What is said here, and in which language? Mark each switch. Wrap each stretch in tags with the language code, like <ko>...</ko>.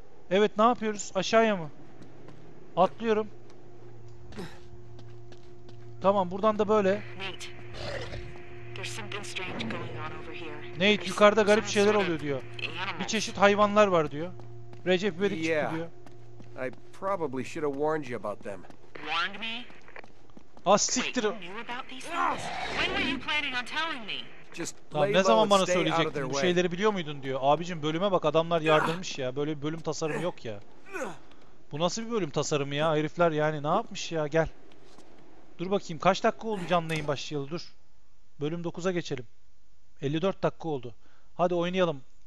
<tr>Evet ne yapıyoruz? Aşağıya mı? Atlıyorum. Tamam buradan da böyle. Nate yukarıda garip şeyler oluyor diyor. Bir çeşit hayvanlar var diyor. Recep İvedik çıktı diyor.</tr> <en>I probably should have warned you about them. Warned me?</en> <tr>Ah siktir.</tr> <en>When were you planning on telling me?</en> <tr>Tamam, ne zaman bana söyleyecektin bu şeyleri biliyor muydun diyor. Abicim bölüme bak adamlar yardımmış ya. Böyle bir bölüm tasarımı yok ya. Bu nasıl bir bölüm tasarımı ya? Herifler yani ne yapmış ya gel. Dur bakayım kaç dakika oldu canlı yayın başlayalı dur. Bölüm 9'a geçelim. 54 dakika oldu. Hadi oynayalım.</tr>